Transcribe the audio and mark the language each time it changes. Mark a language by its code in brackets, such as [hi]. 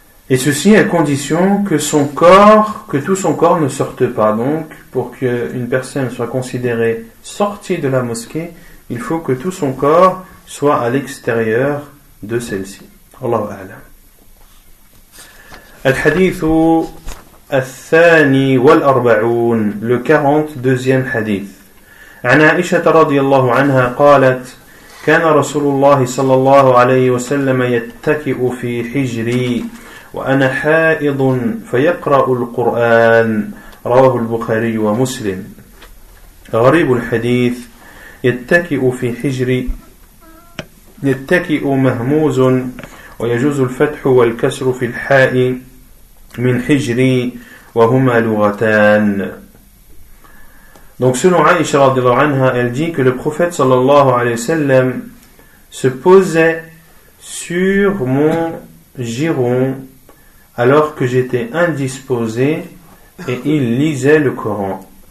[fr] Et ceci à condition que son corps, que tout son corps ne sorte pas. Donc, pour qu'une personne soit considérée sortie de la mosquée, il faut que tout son corps soit à l'extérieur de celle-ci. [ar] Allahu a'lam. الحديث الثاني والأربعون [fr] le 42e [ar] حديث عن عائشة رضي الله عنها قالت كان رسول الله صلى الله عليه وسلم يتكئ في حجري وأنا حائض فيقرأ القرآن رواه البخاري ومسلم غريب الحديث يتكئ في حجري يتكئ مهموز ويجوز الفتح والكسر في الحاء min hijri wa huma lughatan. [fr] Donc selon Aïcha radhiyallahu anha, elle dit que le prophète sallallahu alayhi wa sallam se posait sur mon giron alors que j'étais indisposé et il lisait le Coran.